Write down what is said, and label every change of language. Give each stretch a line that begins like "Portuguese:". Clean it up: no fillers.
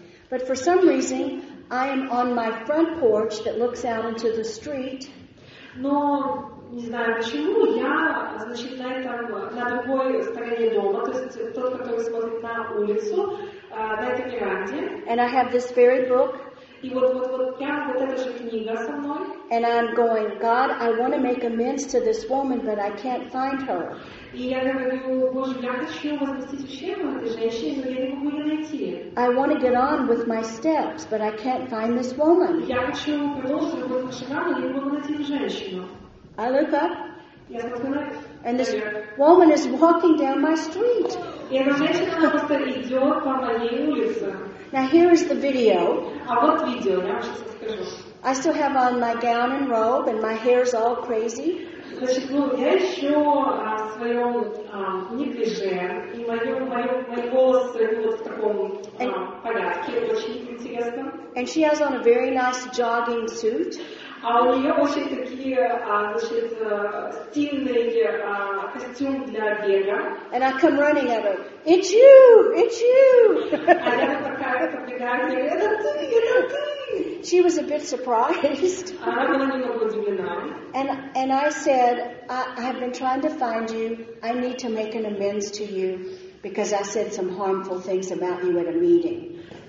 English: But for some reason, I am on my front porch that looks out into the street.
Russian: Но не знаю почему я, значит, на этом на другой стороне дома, то есть тот, который смотрит на улицу, на этой веранде.
English: And I have this very book.
Russian: И вот я, вот эта же книга со мной.
English: And I'm going, God, I want to make amends to this woman, but I can't find her.
Russian: И я говорю, Боже, я хочу возместить ущерб этой женщине, но я не могу ее найти.
English: I want to get on with my steps, but I can't find this woman.
Russian: Я хочу продолжить работать на шагах, но я не могу найти эту женщину.
English: I look up.
Russian: Я смотрю на.
English: And this woman is walking down my street.
Russian: И эта женщина просто идет по моей улице.
English: Now here is the video.
Russian: А вот видео, я вам сейчас скажу.
English: I still have on my gown and robe and my hair is all crazy.
Russian: Значит, ну, я еще в своем неглиже, и мои волосы вот в таком порядке, очень интересно.
English: And she has on a very nice jogging suit.
Russian: А у нее очень такие, значит, стильные костюм для бега.
English: And I come running at her. It's you! It's you!
Russian: А я такая подбегаю, это ты, это ты!
English: She was a bit surprised. And I said, I have been trying to find you. I need to make an amends to you because I said some harmful things about you at a meeting.